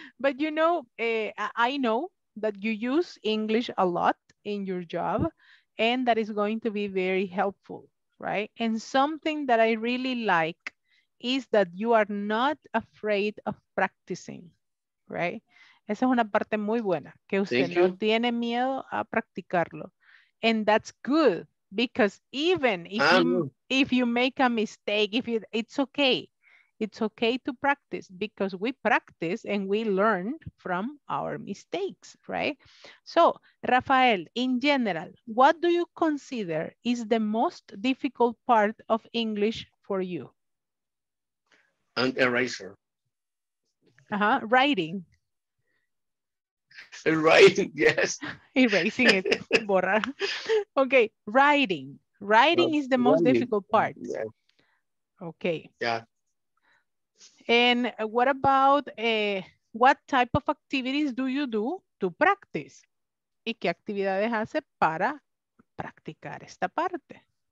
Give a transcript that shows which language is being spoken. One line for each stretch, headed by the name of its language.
English: But you know, I know that you use English a lot in your job. And that is going to be very helpful, right? And something that I really like is that you are not afraid of practicing, right?
Spanish: Esa es una parte muy buena, que usted no tiene miedo a practicarlo.
English: And that's good, because even if you make a mistake, it's okay. It's okay to practice, because we practice and we learn from our mistakes, right? So, Rafael, in general, what do you consider is the most difficult part of English for you? An eraser. Uh-huh, writing. Writing, yes. Erasing it, borra. Okay, writing. Writing is the most difficult part. Yeah. Okay. Yeah. And what about what type of activities do you do to practice?
Spanish: ¿Y qué actividades hace para practicar esta parte?